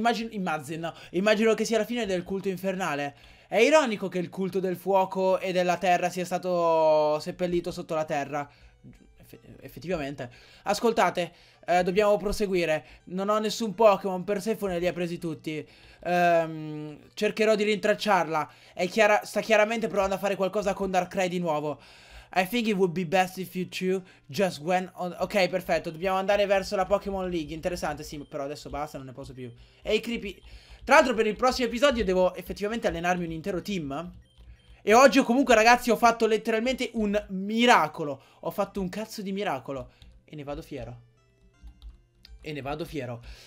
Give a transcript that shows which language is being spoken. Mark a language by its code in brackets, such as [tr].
[it] Immagino che sia la fine del culto infernale. È ironico che il culto del fuoco e della terra sia stato seppellito sotto la terra. Effettivamente. Ascoltate, dobbiamo proseguire. Non ho nessun Pokémon, Persephone li ha presi tutti. Cercherò di rintracciarla. Sta chiaramente provando a fare qualcosa con Darkrai di nuovo. [en] I think it would be best if you two just went on. [it] Ok, perfetto. Dobbiamo andare verso la Pokémon League. Interessante, sì, però adesso basta, non ne posso più. Ehi, Creepy. Tra l'altro, per il prossimo episodio devo effettivamente allenarmi un intero team. E oggi, comunque, ragazzi, ho fatto letteralmente un miracolo. Ho fatto un cazzo di miracolo. E ne vado fiero. E ne vado fiero.